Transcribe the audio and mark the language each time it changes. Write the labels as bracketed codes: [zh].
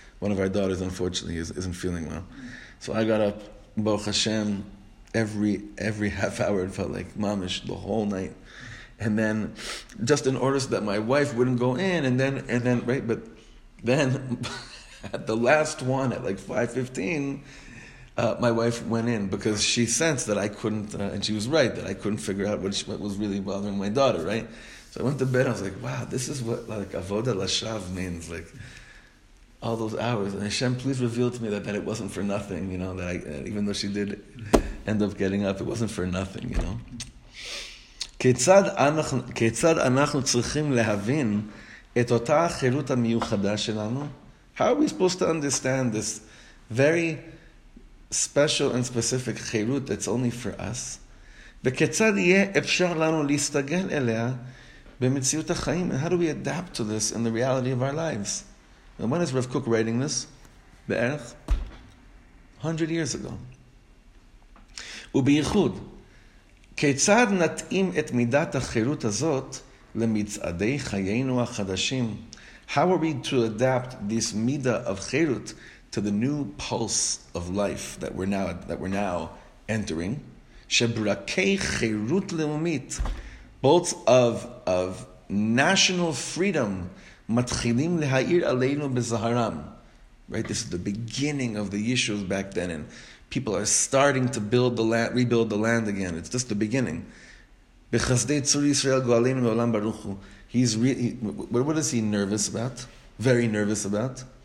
[en] One of our daughters, unfortunately, isn't feeling well. So I got up, Baruch Hashem, every half hour it felt like mamish the whole night, and then just in order so that my wife wouldn't go in, and then right, but then at the last one at like 5:15, my wife went in because she sensed that I couldn't, and she was right that I couldn't figure out what was really bothering my daughter, right? So I went to bed. I was like, wow, this is what like avodah lashav means, like all those hours. And Hashem, please reveal to me that it wasn't for nothing, you know, that even though she did end up getting up, it wasn't for nothing, you know. [he] כיצד אנחנו צריכים להבין את אותה החירות המיוחדה שלנו? [en] How are we supposed to understand this very special and specific חירות that's only for us? [he] וכיצד יהיה אפשר לנו להסתגל אליה במציאות החיים? [en] And how do we adapt to this in the reality of our lives? And when is Rav Kook writing this? Be'erch? 100 years ago. [he] ובייחוד, כיצד נתאים את מידת החירות הזאת למצעדי חיינו החדשים? [en] How are we to adapt this midah of chirut to the new pulse of life that we're now entering? [he] שברקי חירות לאומית, [en] bolts of national freedom, [he] מתחילים להאיר עלינו בזהרם. [en] Right, this is the beginning of the yeshuv back then, and people are starting to build the land, rebuild the land again. It's just the beginning. [he] בחסדי צור ישראל גואלים מעולם ברוך הוא. [en] He's really, what is he nervous about? Very nervous about?